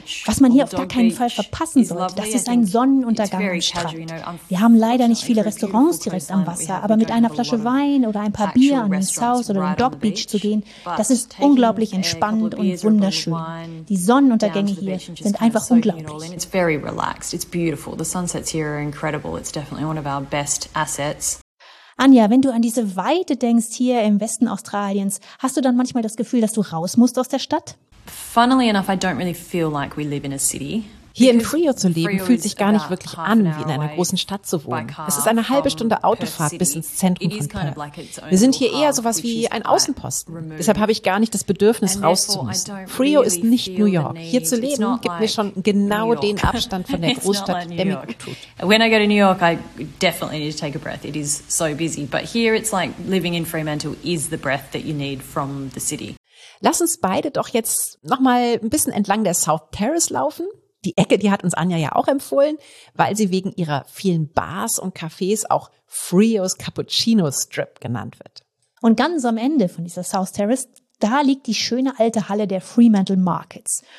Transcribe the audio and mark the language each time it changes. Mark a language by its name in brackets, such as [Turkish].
[German] Was man hier auf gar keinen Fall verpassen sollte, das ist ein Sonnenuntergang am Strand. Wir haben leider nicht viele Restaurants direkt am Wasser, aber mit einer Flasche Wein oder ein paar Bier an den South oder den Dock Beach zu gehen, das ist unglaublich entspannend und wunderschön. Die Sonnenuntergänge hier sind einfach unglaublich. [English] It's very relaxed. It's beautiful. The sunsets here are incredible. It's definitely one of our best assets. [German] Anja, wenn du an diese Weite denkst hier im Westen Australiens, hast du dann manchmal das Gefühl, dass du raus musst aus der Stadt? [English] Funnily enough, I don't really feel like we live in a city. [German] Hier in Frio zu leben, fühlt sich gar nicht wirklich an, wie in einer großen Stadt zu wohnen. Es ist eine halbe Stunde Autofahrt bis ins Zentrum von Perth. Wir sind hier eher sowas wie ein Außenposten. Deshalb habe ich gar nicht das Bedürfnis, rauszumüssen. Frio ist nicht New York. Hier zu leben, gibt mir schon genau den Abstand von der Großstadt, der mir gut tut. [English] When I go to New York, I definitely need to take a breath. It is so busy. But here it's like living in Fremantle is the breath that you need from the city. [German] Lass uns beide doch jetzt nochmal ein bisschen entlang der South Terrace laufen. Die Ecke, die hat uns Anja ja auch empfohlen, weil sie wegen ihrer vielen Bars und Cafés auch Frio's Cappuccino Strip genannt wird. Und ganz am Ende von dieser South Terrace, da liegt die schöne alte Halle der Fremantle Markets.